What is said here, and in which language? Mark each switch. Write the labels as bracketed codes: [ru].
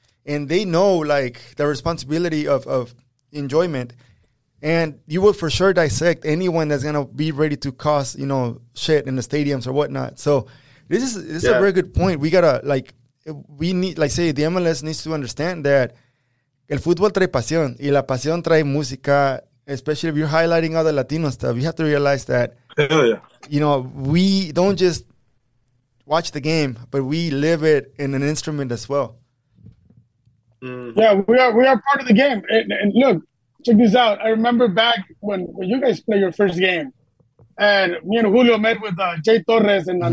[en] And they know, like, the responsibility of enjoyment. And you will for sure dissect anyone that's going to be ready to cause, you know, shit in the stadiums or whatnot. So this is a very good point. We got to, like, we need, like, say, the MLS needs to understand that [es] el fútbol trae pasión y la pasión trae música, [en] especially if you're highlighting other Latino stuff. You have to realize that, you know, we don't just watch the game, but we live it in an instrument as well. Mm-hmm. Yeah, we are part of the game. And look, check this out. I remember back when you guys played your first game, and me and Julio met with Jay Torres and mm-hmm.